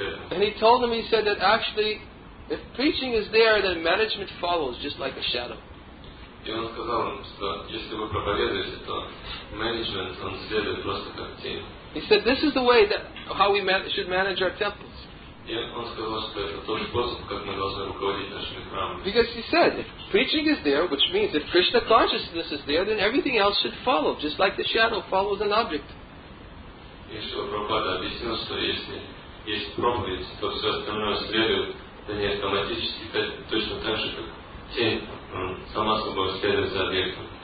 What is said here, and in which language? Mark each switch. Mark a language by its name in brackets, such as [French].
[English] And he told them, he said that actually, if preaching is there, then management follows just like a shadow. [Russian] И он сказал им, что если вы проповедуете, то management, он следует просто как тень. [English] He said, this is the way that how we should manage our temple. [Russian] И он сказал, что это тот способ, как мы должны руководить нашими храмами. [English] Because he said, if preaching is there, which means if Krishna consciousness is there, then everything else should follow, just like the shadow follows an object. [Russian] И Шрила Прабхупада объяснил, что если есть проповедь, то все остальное следует за ней автоматически, точно так же, как тень сама собой следует за объектом.